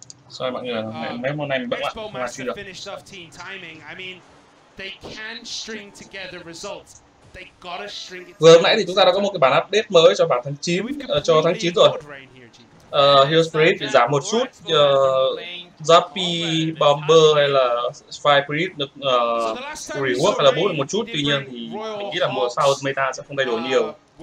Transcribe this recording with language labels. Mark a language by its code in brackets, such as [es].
[vi] Sorry mọi người, mấy hôm nay mình bận quá, không làm gì được. [en] I mean, they can string together results. They gotta string it. [vi] Vừa hôm nãy thì chúng ta đã có một cái bản update mới cho bản tháng 9 cho tháng 9 rồi. Hero Spirit bị giảm một chút, Zappy, Bomber hay là Fire Spirit được rework hay là boost một chút. Tuy nhiên thì mình nghĩ là mùa sau meta sẽ không thay đổi nhiều.